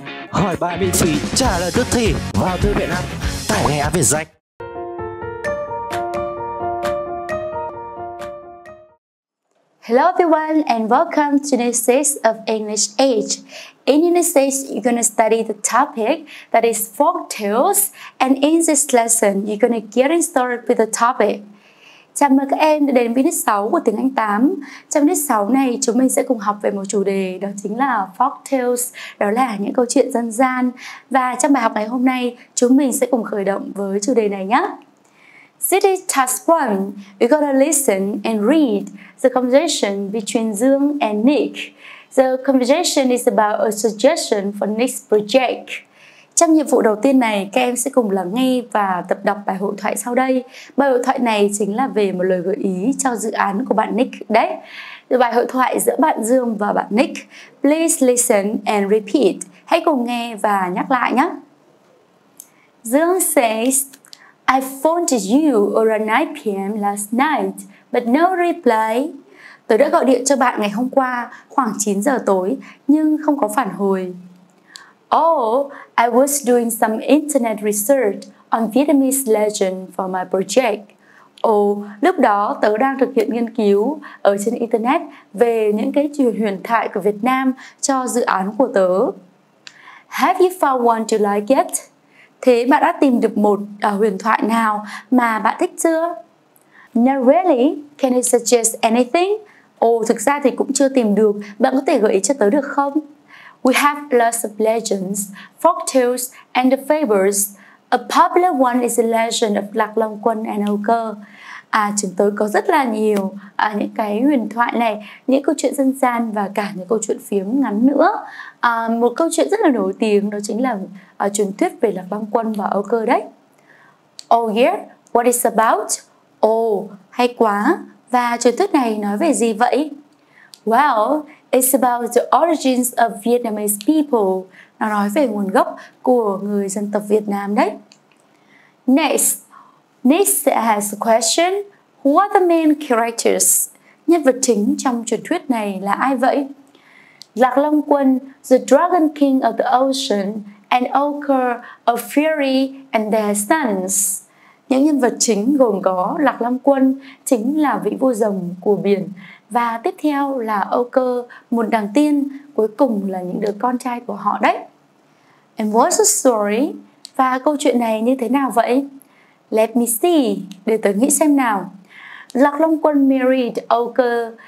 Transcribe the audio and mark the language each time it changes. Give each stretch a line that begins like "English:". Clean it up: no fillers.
Vietnamese: Hỏi bài miễn phí, trả lời tức thì vào thư viện app, tải ngay Avezanh.
English: Hello everyone and welcome to the series of English Age. In this series, you're going to study the topic that is folk tales, and in this lesson, you're going to get started with the topic.
Vietnamese: Chào mừng các em đã đến với lớp 6 của tiếng Anh 8. Trong lớp 6 này, chúng mình sẽ cùng học về một chủ đề, đó chính là folk tales, đó là những câu chuyện dân gian. Và trong bài học ngày hôm nay, chúng mình sẽ cùng khởi động với chủ đề này nhé.
English: City Task 1, we're going to listen and read the conversation between Dương and Nick. The conversation is about a suggestion for Nick's project.
Vietnamese: Trong nhiệm vụ đầu tiên này, các em sẽ cùng lắng nghe và tập đọc bài hội thoại sau đây. Bài hội thoại này chính là về một lời gợi ý cho dự án của bạn Nick đấy. Bài hội thoại giữa bạn Dương và bạn Nick.
English: Please listen and repeat.
Vietnamese: Hãy cùng nghe và nhắc lại nhé.
English: Dương says, I phoned you around 9 p.m. last night, but no reply.
Vietnamese: Tôi đã gọi điện cho bạn ngày hôm qua khoảng 9 giờ tối, nhưng không có phản hồi.
English: Oh, I was doing some internet research on Vietnamese legend for my project.
Vietnamese: Oh, lúc đó tớ đang thực hiện nghiên cứu ở trên internet về những cái truyền huyền thoại của Việt Nam cho dự án của tớ.
English: Have you found one you like yet?
Vietnamese: Thế bạn đã tìm được một huyền thoại nào mà bạn thích chưa?
English: Not really. Can you suggest anything?
Vietnamese: Oh, thực ra thì cũng chưa tìm được. Bạn có thể gợi ý cho tớ được không?
English: We have lots of legends, folk tales, and the fables. A popular one is the legend of Lạc Long Quân and Ogre.
Vietnamese: À, chúng tôi có rất là nhiều những cái huyền thoại này, những câu chuyện dân gian và cả những câu chuyện phiếm ngắn nữa. Một câu chuyện rất là nổi tiếng đó chính là truyền thuyết về Lạc Long Quân và Ogre đấy.
English: Oh yeah, what is about?
Vietnamese: Oh, hay quá. Và truyền thuyết này nói về gì vậy?
English: Well, it's about the origins of Vietnamese people.
Vietnamese: Nó nói về nguồn gốc của người dân tộc Việt Nam đấy.
English: Next, Nick has a question. Who are the main characters?
Vietnamese: Nhân vật chính trong truyền thuyết này là ai vậy?
English: Lạc Long Quân, the Dragon King of the Ocean, and Ogre, a fairy, and their sons.
Vietnamese: Những nhân vật chính gồm có Lạc Long Quân, chính là vị vua rồng của biển. Và tiếp theo là Ogre, một đằng tiên, cuối cùng là những đứa con trai của họ đấy.
English: And what's the story?
Vietnamese: Và câu chuyện này như thế nào vậy?
English: Let me see,
Vietnamese: để tớ nghĩ xem nào.
English: Lạc Long Quân married Ogre.